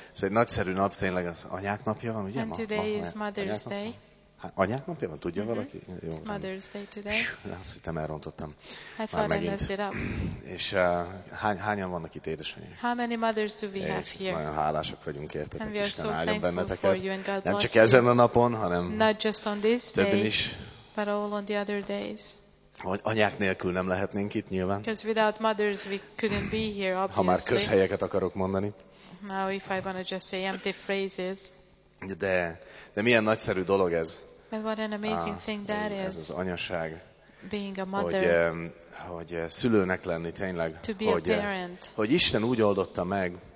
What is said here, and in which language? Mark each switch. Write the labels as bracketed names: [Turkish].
[Hungarian] Ez egy nagyszerű nap, tényleg az anyák napja van, ugye? [English] And today is Mother's Day. [Hungarian] Anyák napja van, tudja valaki? [English] Jó, it's Mother's Day today. [Hungarian] Azt hittem elrontottam. [English] I thought I messed it up. [Hungarian] És hányan vannak itt édesanyák? [English] How many mothers do we have here? [Hungarian] Nagyon hálásak vagyunk értetek. [English] And we are so thankful for you and God bless [Hungarian] you. Nem csak ezen a napon, hanem [English] not just on this [Hungarian] többen [English] day, [Hungarian] is. [English] But all on the other days. [Hungarian] Anyák nélkül nem lehetnénk itt nyilván. [English] Because without mothers we couldn't be here, obviously. [Hungarian] Ha már közhelyeket akarok mondani. [English] Now if I want to just say empty phrases. [Hungarian] De milyen nagyszerű dolog ez. [English] But what an amazing thing that [Hungarian] ez, [English] is. [Hungarian] Ez az anyaság. [English] Being a mother. [Hungarian] Hogy szülőnek lenni tényleg. [English] To be [Hungarian] hogy, [English] a parent. [Hungarian] Hogy Isten úgy oldotta meg.